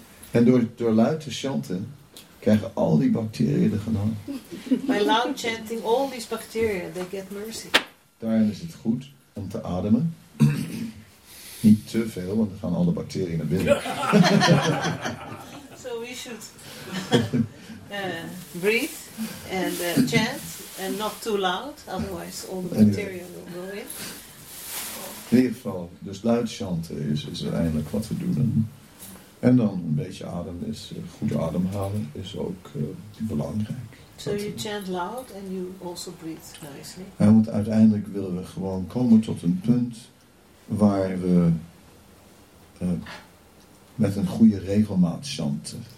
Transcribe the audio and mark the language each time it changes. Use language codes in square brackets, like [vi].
[nl] En door luid te chanten krijgen al die bacteriën de genade. [en] By loud chanting, all these bacteria, they get mercy. [nl] Daarom is het goed om te ademen. Niet te veel, want dan gaan alle bacteriën naar binnen. [en] So we should breathe and chant and not too loud, otherwise all the bacteria will go in. [nl] In ieder geval, dus luid chanten is uiteindelijk wat we doen. En dan een beetje adem is, goed ademhalen is ook belangrijk. [en] So you chant loud and you also breathe nicely. [nl] En want uiteindelijk willen we gewoon komen tot een punt waar we met een goede regelmaat chanten.